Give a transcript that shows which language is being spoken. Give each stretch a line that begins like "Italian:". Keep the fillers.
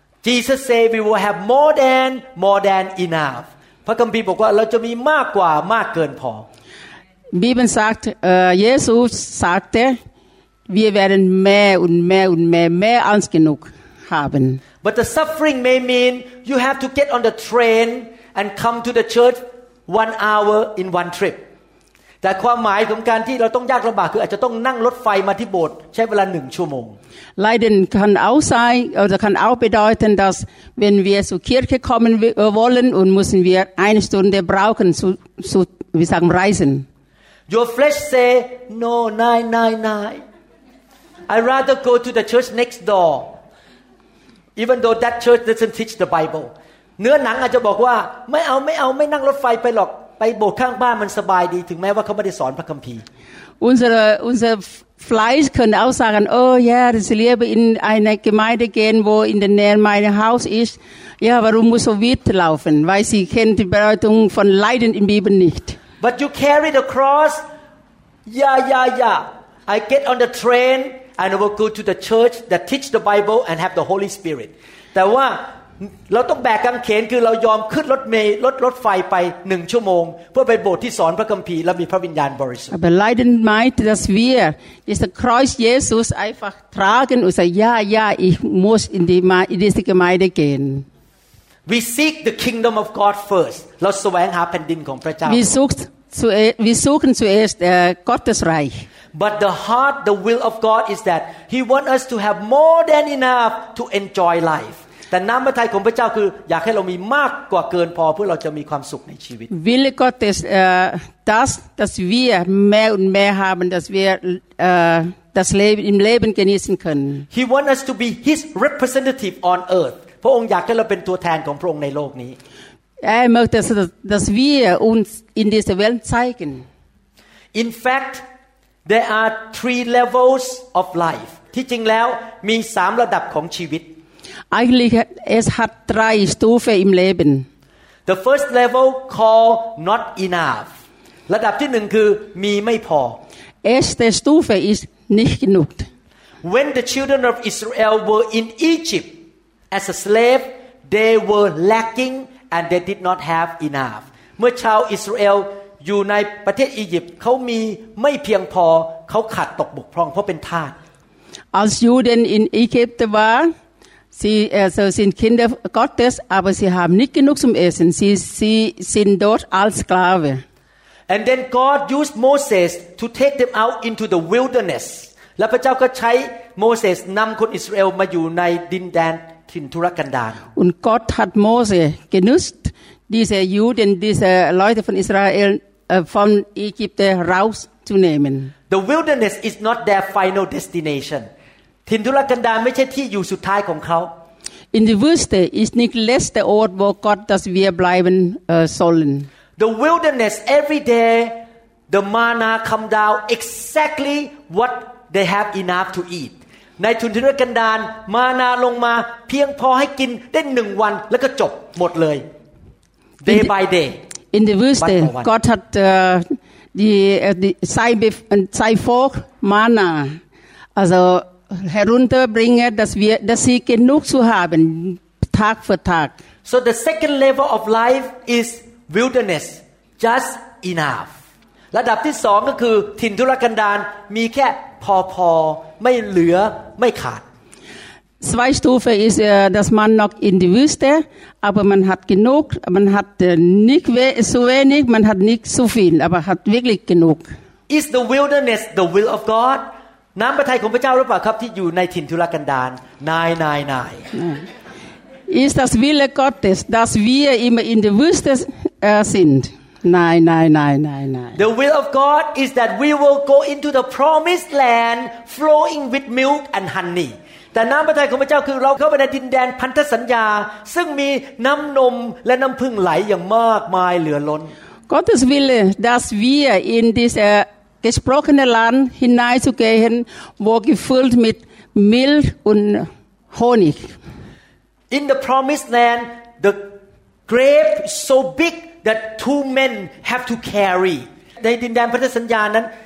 English: Jesus said we will have more than more than enough
Thai: พระคัมภีร์บอกว่าเราจะมีมากกว่ามากเกินพอ
German: Bibel sagt, äh, Jesus sagte, wir werden mehr und mehr und mehr, mehr als genug haben.
English: but the suffering may mean you have to get on the train and come to the church one hour in one trip
Thai: แต่ความหมายของการที่เราต้องยากลำบากคืออาจจะต้องนั่งรถไฟมาที่โบสถ์ใช้เวลาหนึ่งชั่วโมง
German: Leiden kann auch sein, oder kann auch bedeuten, dass wenn wir zur Kirche kommen wi- äh, wollen und müssen wir eine Stunde brauchen zu, zu wie sagen, reisen.
English: Your flesh say, no, nine, nine, nine. I rather go to the church next door, even though that church doesn't teach the Bible.
Thai: เนื้อหนังอาจจะบอกว่าไม่เอาไม่เอาไม่นั่งรถไฟไปหรอกไปโบสถ์ข้างบ้านมันสบายดี ถึงแม้ว่าเขาไม่ได้สอนพระคัมภีร์
German: Unsere, unser Fleisch könnte auch sagen, oh ja, ich liebe in eine Gemeinde gehen, wo in der Nähe mein Haus ist. Ja, warum muss so weit laufen? Weil sie kennt die Bedeutung von Leiden in der Bibel nicht.
English: but you carry the cross yeah yeah yeah I get on the train and I will go to the church that teach the Bible and have the Holy Spirit
Thai: แต่ว่าเราต้องแบกกางเขนคือเรายอมขึ้นรถเมล์รถรถไฟไปหนึ่งชั่วโมง เพื่อไปโบสถ์ที่สอนพระคัมภีร์และมีพระวิญญาณบริสุทธิ์
German: Aber Leiden meint, dass wir dieses Kreuz Jesus einfach tragen und sagen, ja, ja, ich muss in, die, Ma- in diese Gemeinde gehen.
English: we seek the kingdom of God first
Thai: เราแสวงหาแผ่นดินของพระเจ้า
German: Wir, sucht zuer- wir suchen zuerst äh, Gottes Reich.
English: but the heart the will of God is that He want us to have more than enough to enjoy life
Thai: แต่น้ำพระทัยของพระเจ้าคืออยากให้เรามีมากกว่าเกินพอเพื่อเราจะมีความสุขในชีวิต
German: Wille Gottes, äh, das, dass wir mehr und mehr haben, dass wir äh, das Leben im Leben genießen können.
English: He wants us to be His representative on earth
Thai: พระองค์อยากให้เราเป็นตัวแทนของพระองค์ในโลกนี้
German: Er möchte, dass, dass wir uns in dieser Welt zeigen.
English: In fact there are three levels of life
Thai: ที่จริงแล้วมีสามระดับของชีวิต
German: Eigentlich hat- es hat drei Stufen im Leben.
English: The first level called not enough
Thai: ระดับที่หนึ่งคือมีไม่พอ
German: Erste Stufe ist nicht genug.
English: When the children of Israel were in Egypt as a slave they were lacking and they did not have enough
Thai: เมื่อชาวอิสราเอลอยู่ในประเทศอียิปต์เขามีไม่เพียงพอเขาขาดตกบกพร่องเพราะเป็นทาส
German: Als Juden in Ägypten waren, sie also sind Kinder Gottes, aber sie haben nicht genug zum Essen. Sie, sie sind dort als Sklave.
English: And then God used Moses to take them out into the wilderness
Thai: และพระเจ้าก็ใช้โมเสสนำคนอิสราเอลมาอยู่ในดินแดนถิ่นทุรกันดาร
German: Und Gott hat Mose genutzt, diese Juden, diese Leute von Israel äh, von Ägypten rauszunehmen.
English: The wilderness is not their final destination
Thai: ถิ่นทุรกันดารไม่ใช่ที่อยู่สุดท้ายของเขา
German: In der Wüste ist nicht der letzte Ort, wo Gott, dass wir bleiben äh, sollen.
English: The wilderness every day the manna come down exactly what they have enough to eat
Thai: ในทุนทุรกันดารมานาลงมาเพียงพอให้กินได้หนึ่งวันแล้วก็จบหมดเลย
English: day by day
German: In der Wüste, Warte, warte. Gott hat äh, die, äh, die sei, bef- äh, sei vor Mana, also herunterbringen, dass wir, dass sie genug zu haben, Tag für Tag.
English: So the second level of life is wilderness, just enough.
Thai: ระดับที่สองก็คือถิ่นทุรกันดารมีแค่พอพอๆไม่เหลือไม่ขาด
German: Zwei Stufen ist, äh, dass man noch in die Wüste, aber man hat genug, man hat äh, nicht we so wenig, man hat nicht so viel, aber hat wirklich genug.
English: Is the wilderness the will of God?
Thai: น้ำพระทัยของพระเจ้าหรือเปล่าครับที่อยู่ในถิ่นทุรกันดารนายนายนาย
German: Ist das Wille Gottes, dass wir immer in der Wüste äh, sind? Nein, nein, nein, nein, nein.
English: The will of God is that we will go into the promised land flowing with milk and honey
Thai: แต่น้ำพระทัยของพระเจ้าคือเราเข้าไปในดินแดนพันธสัญญา ซึ่งมีน้ำนมและน้ำพึ่งไหลอย่างมากมายเหลือล้น
German: Gottes Wille, dass wir in dieses gesprochene Land hineinzugehen, wo gefüllt mit Milch und Honig.
English: In the promised land, the grape is so big that two men have to carry.
Thai: ในดินแดนพันธสัญญานั้น